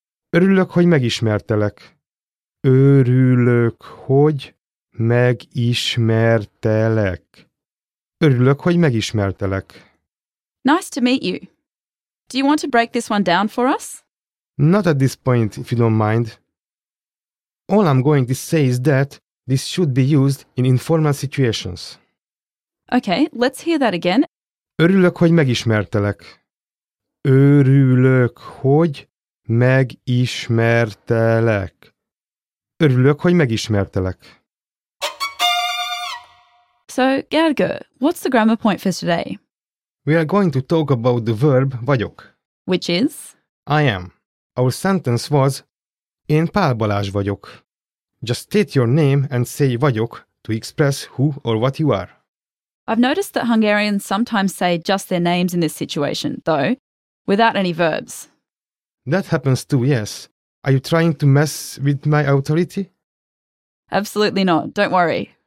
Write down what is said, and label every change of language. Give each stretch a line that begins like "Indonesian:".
Hungarian: Örülök, hogy megismertelek. Örülök, hogy megismertelek. Örülök, hogy megismertelek.
English: Nice to meet you. Do you want to break this one down for us? Not at this point, if you don't mind. All I'm going to say is that this should be used in informal situations. Okay, let's hear that again.
Hungarian: Örülök, hogy megismertelek. Örülök, hogy megismertelek. Örülök, hogy megismertelek.
English: So, Gergő, what's the grammar point for today? We are going to talk about the verb vagyok. Which is? I am. Our sentence was,
Hungarian: én Pál Balázs vagyok.
English: Just state your name and say vagyok to express who or what you are. I've noticed that Hungarians sometimes say just their names in this situation, though, without any verbs. That happens too, yes. Are you trying to mess with my authority? Absolutely not. Don't worry.